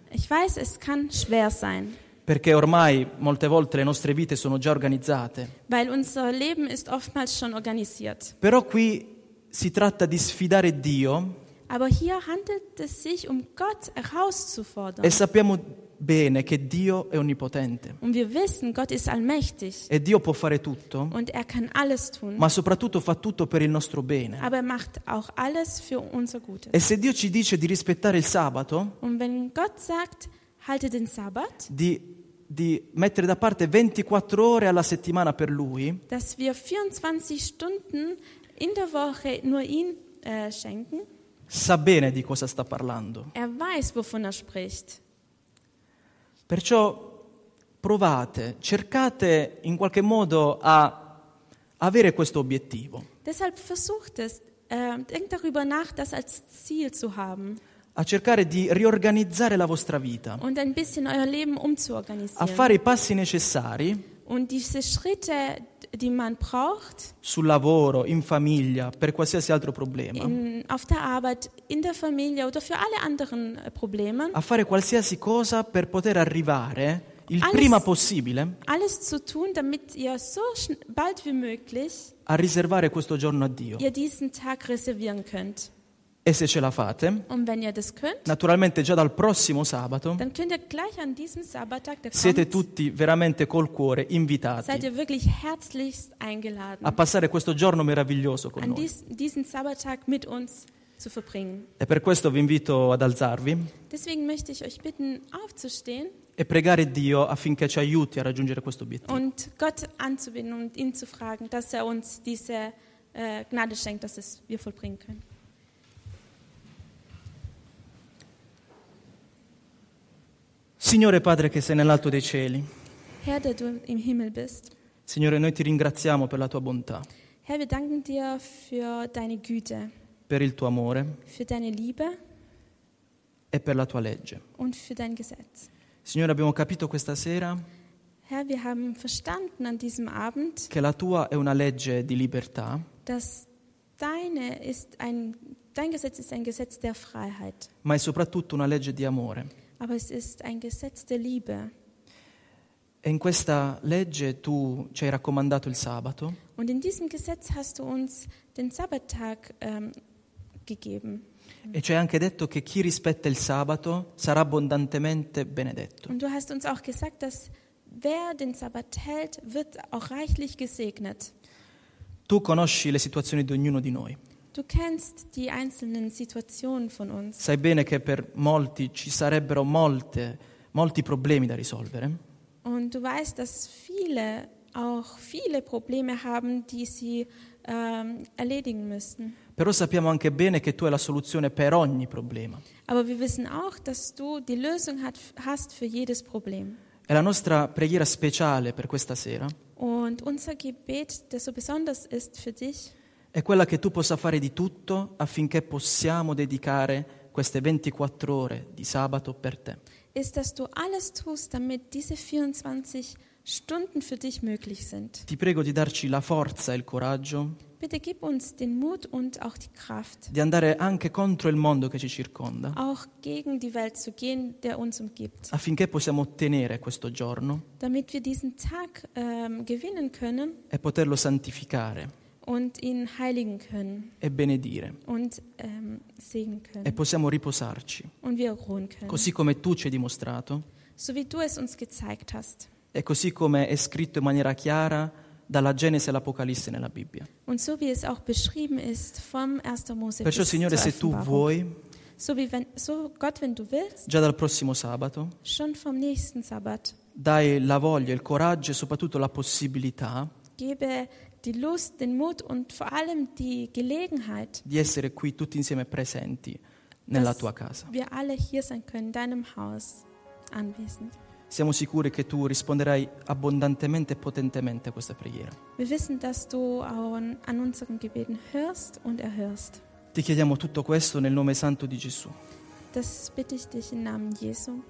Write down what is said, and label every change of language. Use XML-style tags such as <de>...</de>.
<de>Ich weiß, es kann schwer sein.</de> <it>Perché ormai molte volte le nostre vite sono già organizzate.</it> <de>Weil unser Leben ist oftmals schon organisiert.</de> <it>Però qui si tratta di sfidare Dio.</it> <de>Aber hier handelt es sich Gott herauszufordern.</de> <it>E sappiamo bene che Dio è onnipotente.</it> <de>Und wir wissen, Gott ist allmächtig.</de> <it>E Dio può fare tutto.</it> <de>Und er kann alles tun.</de> <it>Ma soprattutto fa tutto per il nostro bene.</it> <de>Aber er macht auch alles für unser Gutes.</de> <it>E se Dio ci dice di rispettare il sabato?</it> <de>Und wenn Gott sagt, halte den Sabbat.</de> <it>Di mettere da parte 24 ore alla settimana per lui.</it> <de>Dass wir 24 Stunden in der Woche nur ihn schenken.</de> <it>Sa bene di cosa sta parlando.</it> <de>Er weiß, wovon er spricht.</de> <it>Perciò provate, cercate in qualche modo a avere questo obiettivo.</it> <de>Deshalb versucht es, denkt darüber nach, das als Ziel zu haben.</de> <it>A cercare di riorganizzare la vostra vita.</it> <de>Und ein bisschen euer Leben umzuorganisieren.</de> <it>A fare i passi necessari.</it> <de>Und diese Schritte, die man braucht.</de> <it>Sul lavoro, in famiglia, per qualsiasi altro problema.</it> <de>Auf der Arbeit, in der Familie oder für alle anderen Probleme.</de> <it>A fare qualsiasi cosa per poter arrivare il prima possibile.</it> <de>Alles zu tun, damit ihr so bald wie möglich.</de> <it>A riservare questo giorno a Dio.</it> <de>Ihr diesen Tag reservieren könnt.</de> <it>E se ce la fate,</it> <de>und wenn ihr das könnt,</de> <it>naturalmente già dal prossimo sabato,</it> <de>dann könnt ihr gleich an diesem Sabbattag,</de> <it>der siete kommt, tutti veramente col cuore invitati,</it> <de>seid ihr wirklich herzlichst eingeladen,</de> <it>a passare questo giorno meraviglioso con</it> <de>an</de> <it>noi.</it> <de>Diesen Sabbattag mit uns zu verbringen.</de> <it>E per questo vi invito ad alzarvi.</it> <de>Deswegen möchte ich euch bitten, aufzustehen,</de> <it>e pregare Dio affinché ci aiuti a raggiungere questo obiettivo.</it> <de>Und Gott anzubinden und ihn zu fragen, dass er uns diese Gnade schenkt, dass es wir vollbringen können.</de> <it>Signore Padre che sei nell'alto dei cieli.</it> <de>Herr, der du im Himmel bist.</de> <it>Signore, noi ti ringraziamo per la tua bontà.</it> <de>Herr, wir danken dir für deine Güte.</de> <it>Per il tuo amore.</it> <de>Für deine Liebe.</de> <it>E per la tua legge.</it> <de>Und für dein Gesetz.</de> <it>Signore, abbiamo capito questa sera.</it> <de>Herr, wir haben verstanden an diesem Abend.</de> <it>Che la tua è una legge di libertà.</it> <de>Dass deine ist ein dein Gesetz ist ein Gesetz der Freiheit.</de> <it>Ma è soprattutto una legge di amore.</it> <de>Aber es ist ein Gesetz der Liebe.</de> <it>E in questa legge tu ci hai raccomandato il sabato.</it> <de>Und in diesem Gesetz hast du uns den Sabbattag gegeben.</de> <it>E ci hai anche detto che chi rispetta il sabato sarà abbondantemente benedetto.</it> <de>Und du hast uns auch gesagt, dass wer den Sabbat hält, wird auch reichlich gesegnet.</de> <it>Tu conosci le situazioni di ognuno di noi.</it> <de>Du kennst die einzelnen Situationen von uns.</de> <it>Sai bene che per molti ci sarebbero molti problemi da risolvere.</it> <de>Und du weißt, dass viele auch viele Probleme haben, die sie erledigen müssen.</de> <it>Però sappiamo anche bene che tu hai la soluzione per ogni problema.</it> <de>Aber wir wissen auch, dass du die Lösung hast für jedes Problem.</de> <it>È la nostra preghiera speciale per questa sera.</it> <de>Und unser Gebet, das so besonders ist für dich,</de> <it>è quella che tu possa fare di tutto affinché possiamo dedicare queste 24 ore di sabato per te.</it> <de>Ist, dass du alles tust, damit diese 24 Stunden für dich möglich sind.</de> <it>Ti prego di darci la forza e il coraggio.</it> <de>Bitte gib uns den Mut und auch die Kraft.</de> <it>Di andare anche contro il mondo che ci circonda.</it> <de>Auch gegen die Welt zu gehen, der uns umgibt.</de> <it>Affinché possiamo ottenere questo giorno.</it> <de>Damit wir diesen Tag gewinnen können.</de> <it>E poterlo santificare.</it> <de>Und ihn heiligen können.</de> <it>E benedire.</it> <de>Und segnen können.</de> <it>E possiamo riposarci.</it> <de>Und wir ruhen können.</de> <it>Così come tu ci hai dimostrato.</it> <de>So wie du es uns gezeigt hast.</de> <it>E così come è scritto in maniera chiara dalla Genesi all'Apocalisse nella Bibbia.</it> <de>Und so wie es auch beschrieben ist vom 1. Mose.</de> <it>Perciò, Signore, se tu vuoi.</it> <de>So Gott, wenn du willst.</de> <it>Già dal prossimo sabato.</it> <de>Schon vom nächsten Sabbat.</de> <it>Dai la voglia, il coraggio e soprattutto la possibilità.</it> <de>Gebe die Lust, den Mut und vor allem die Gelegenheit,</de> <it>di essere qui tutti insieme presenti nella tua casa.</it> <de>Wir alle hier sein können, in deinem Haus anwesend.</de> <it>Siamo sicuri che tu risponderai abbondantemente e potentemente a questa preghiera.</it> <de>Wir wissen, dass du an unseren Gebeten hörst und erhörst.</de> <it>Ti chiediamo tutto questo nel nome santo di Gesù.</it> <de>Das bitte ich dich im Namen Jesu.</de>